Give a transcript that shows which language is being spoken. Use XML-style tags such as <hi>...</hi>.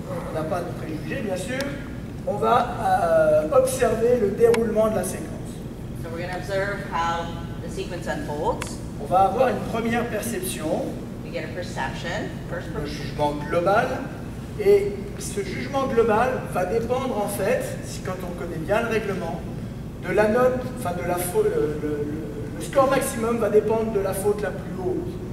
<fr>On n'a pas de préjugés, bien sûr. On va observer le déroulement de la séquence.</fr> <en>So we're going to observe how the sequence unfolds.</en> <fr>On va avoir une première perception.</fr> <en>We get a perception.</en> <fr>Le jugement global. Et ce jugement global va dépendre, en fait, si quand on connaît bien le règlement, de la note, enfin, de la faute, le score maximum va dépendre de la faute la plus haute.</fr>